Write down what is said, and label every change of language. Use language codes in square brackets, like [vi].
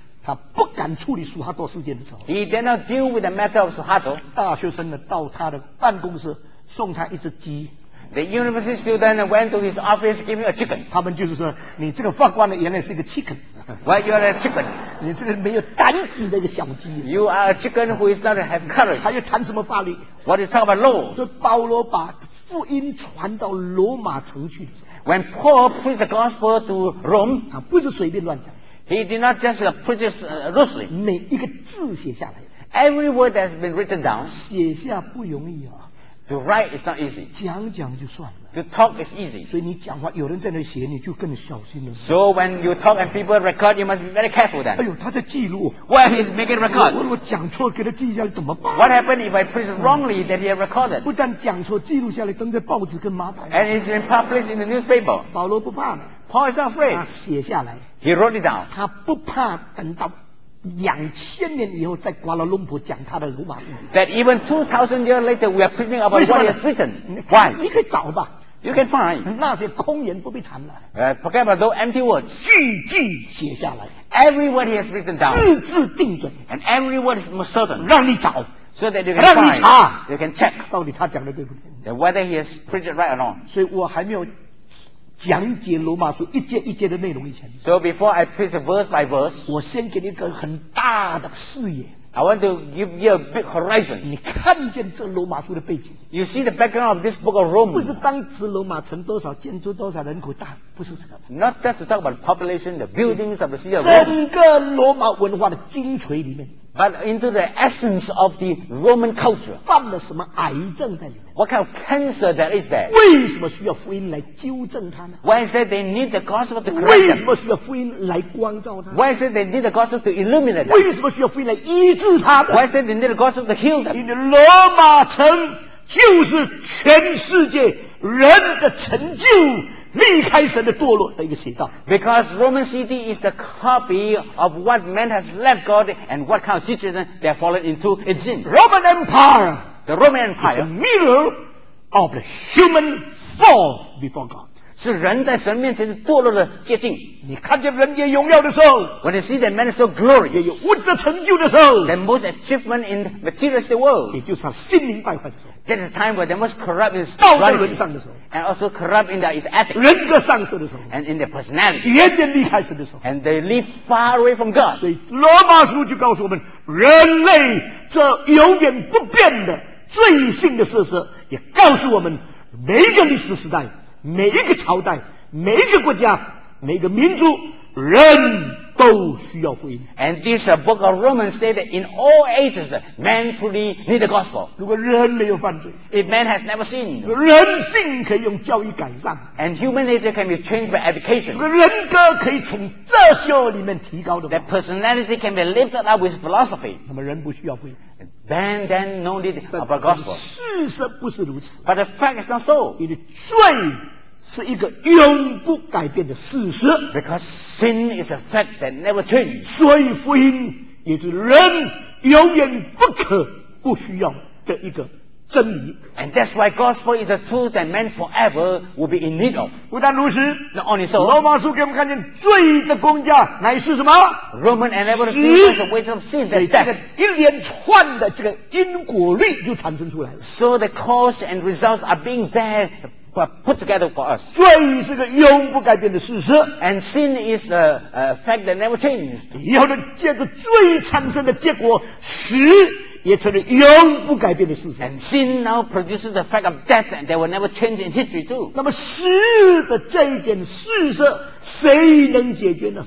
[zh] 他不敢处理苏哈多事件的时候， [en] He did not deal with the matter of Suharto. [zh] 大学生呢到他的办公室送他一只鸡。 [en] The university student went to his office giving a chicken. [zh] 他们就是说，你这个法官呢原来是一个 chicken. [en] Why you are a chicken? [zh] 你这个没有胆子的一个小鸡。 [en] You are a chicken who is not have courage. [zh] 还要谈什么法律？ [en] What you talk about law? [zh] 所以保罗把福音传到罗马城去。 [en] When Paul preached the gospel to Rome, [zh] 他不是随便乱讲。 [en] He did not just preach loosely. [zh] 每一个字写下来。 [en] Every word that has been written down. [zh] 写下不容易啊。 [en] To write is not easy. [zh] 讲讲就算了。 [en] To talk is easy. [zh] 所以你讲话，有人在那写，你就更小心了。 [en] So when you talk and people record, you must be very careful then. [zh] 哎呦，他在记录。 [en] Well, he's making records. [zh] 我讲错，给他记下来怎么办 [en] ？What happened if I preach wrongly that he recorded? [zh] 不但讲错，记录下来，登在报纸更麻烦。 [en] And it's been published in the newspaper. [zh] 保罗不怕的。 [en] Paul is not afraid. [zh] 他写下来。 [en] He wrote it down. [zh] 他不怕等到。 2000年以后，在瓜拉隆坡讲他的罗马书。 [en] That even 2000 years later, we are preaching about what is written. Why? [zh] 你可以找吧。 [en] You can find. [zh] 那些空言不必谈了。 [en] Forget about those empty words. [zh] 句句写下来。 [en] Every word he has written down. [zh] 字字定准。 [en] And every word is most certain. [zh] 让你找。 [en] So that you can find. [zh] 让你查。 [en] You can check. [zh] 到底他讲的对不对 [en] ？That whether he has preached right or not. [zh] 所以我还没有。讲解罗马书一节一节的内容以前 [en] So before I preach verse by verse [zh] 我先给你一个很大的视野 [en] I want to give you a big horizon [zh] 你看见这罗马书的背景 [en] You see the background of this book of Rome [zh] 不是当时罗马城多少建筑多少人口大不是这个 [en] Not just to talk about the population the buildings of the city of Rome [zh] 整个罗马文化的精髓里面 [en] But into the essence of the Roman culture [zh] 犯了什么癌症在里面 [en] What kind of cancer that is there? [zh] 为什么需要福音来纠正他呢 [en] Why is that they need the gospel to correct them? [zh] 为什么需要福音来光照他 [en] Why is that they need the gospel to illuminate them? [zh] 为什么需要福音来医治他呢 [en] Why is that they need the gospel to heal them? [zh] 因为罗马城就是全世界人的成就离开神的堕落的一个写照 [en] Because Roman city is the copy of what man has left God and what kind of situation they have fallen into it's in. Roman Empire The Roman Empire is a mirror of the human fall before God. [zh] 是人在神面前堕落的接近。你看见人间荣耀的时候 [en] ，When you see that man is so glorious， [zh] 也有物质成就的时候 [en] ，The most achievement in materialist world， [zh] 也就是心灵败坏的时候。 [en] That is time where they must corrupt in [zh] spirituality. 道德沦丧的时候 [en] ，And also corrupt in their ethics. [zh] 人格丧失的时候 [en] ，And in their personality. [zh] 人间离开神的时候 [en] ，And they live far away from God. [zh] 所以罗马书就告诉我们，人类这永远不变的。最新的事实也告诉我们，每一个历史时代、每一个朝代、每一个国家、每一个民族，人都需要福音。 [en] And this book of Romans said that in all ages, man truly need the gospel. [zh] 如果人没有犯罪 [en] ，if man has never sinned， [zh] 人性可以用教育改善 [en] ，and human nature can be changed by education， [zh] 人格可以从哲学里面提高的 [en] ，that personality can be lifted up with philosophy。 [zh] 那么人不需要福音。 [en] Then, then, no need of a gospel. [zh] 事实不是如此。 [en] But the fact is not so. [zh] 因为罪是一个永不改变的事实。 [en] Because sin is a fact that never changes. [zh] 所以福音也是人永远不可不需要的一个真理。 [en] And that's why gospel is a truth that man forever will be in need of. [zh] 不但如此 [en] ，Not only so. [zh] 罗马书给我们看见罪的工价乃是什么 [en] ？Roman and ever the wages of sin is death. [zh] 所以这个一连串的这个因果律就产生出来了。 [en] So the cause and results are being there put together for us. [zh] 罪是个永不改变的事实。 [en] And sin is a fact that never changes. [zh] 以后的借着罪产生的结果使。也成了永不改变的事实。 [en] And sin now produces the fact of death and they will never change in history too. [zh] 那么死的这一件事实谁能解决呢